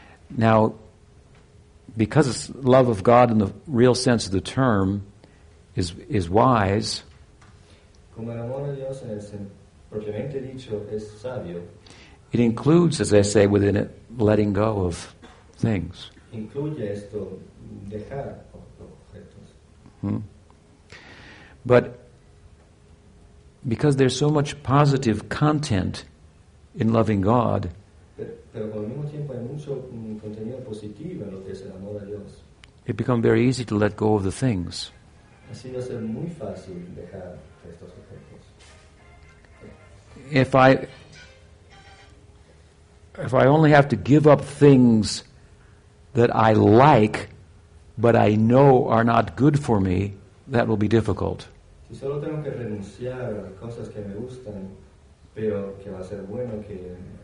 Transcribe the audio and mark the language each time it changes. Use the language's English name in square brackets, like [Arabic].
[English] Now, because love of God in the real sense of the term is wise, [Spanish] como el amor a Dios en el propiamente dicho es sabio, [English] it includes, as I say, within it, letting go of things. [Spanish] Incluye esto, dejar objetos. [English] But because there's so much positive content in loving God, [Spanish] pero por el mismo tiempo hay mucho contenido positivo en lo que es el amor a Dios, [English] it becomes very easy to let go of the things. [Spanish] Así va a ser muy fácil dejar estos objetos. [English] If I only have to give up things that I like, but I know are not good for me, that will be difficult. [Spanish] Si solo tengo que renunciar a cosas que me gustan, pero que va a ser bueno que